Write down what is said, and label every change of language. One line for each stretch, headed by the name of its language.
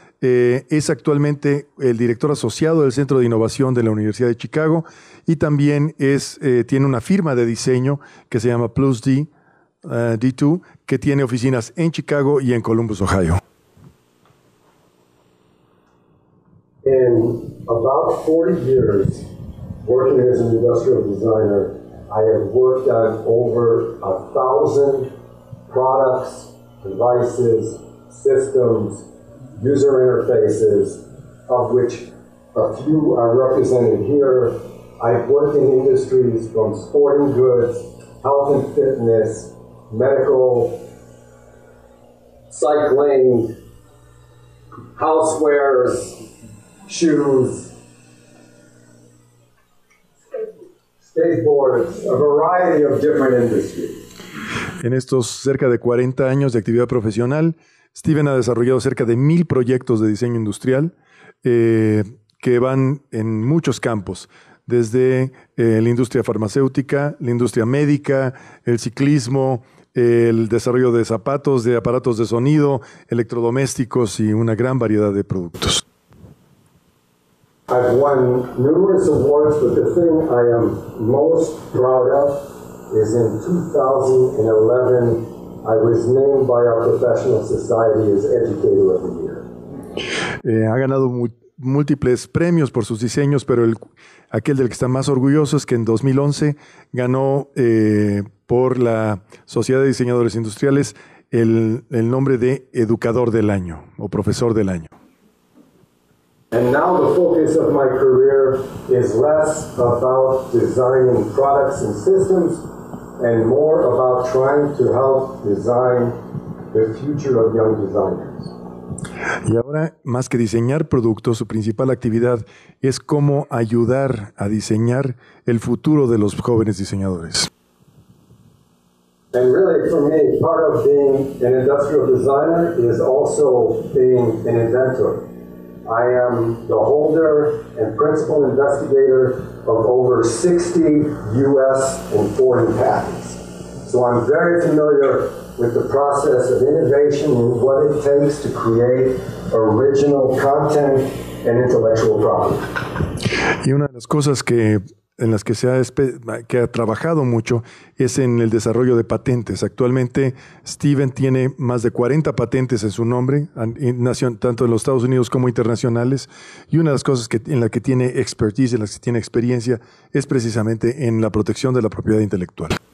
Spanish: Es actualmente el director asociado del Centro de Innovación de la Universidad de Chicago y también tiene una firma de diseño que se llama Plus D. D2, que tiene oficinas en Chicago y en Columbus, Ohio.
English: In about 40 years working as an industrial designer, I have worked on over 1,000 products, devices, systems, user interfaces, of which a few are represented here. I've worked in industries from sporting goods, health and fitness, medical, cycling, housewares, shoes, skateboards, a variety of different industries.
Spanish: En estos cerca de 40 años de actividad profesional, Steven ha desarrollado cerca de 1,000 proyectos de diseño industrial que van en muchos campos, desde la industria farmacéutica, la industria médica, el ciclismo, el desarrollo de zapatos, de aparatos de sonido, electrodomésticos y una gran variedad de productos.
English: I've won numerous awards, but the thing I am most proud of is in 2011, I was named by our professional society as Educator of the Year.
Spanish: Ha ganado múltiples premios por sus diseños, pero aquel del que está más orgulloso es que en 2011 ganó por la Sociedad de Diseñadores Industriales el nombre de Educador del Año o Profesor del Año.
English: And now the focus of my career is less about designing products and systems and more about trying to help design the future of young designers.
Spanish: Y ahora, más que diseñar productos, su principal actividad es cómo ayudar a diseñar el futuro de los jóvenes diseñadores.
English: And really, for me, part of being an industrial designer is also being an inventor. I am the holder and principal investigator of over 60 U.S. and foreign patents. So I'm very familiar with the process of innovation and what it takes to create original content and intellectual property.
Spanish: Y una de las cosas que ha trabajado mucho es en el desarrollo de patentes. Actualmente, Steven tiene más de 40 patentes en su nombre, tanto en los Estados Unidos como internacionales. Y una de las cosas en las que tiene experiencia, es precisamente en la protección de la propiedad intelectual.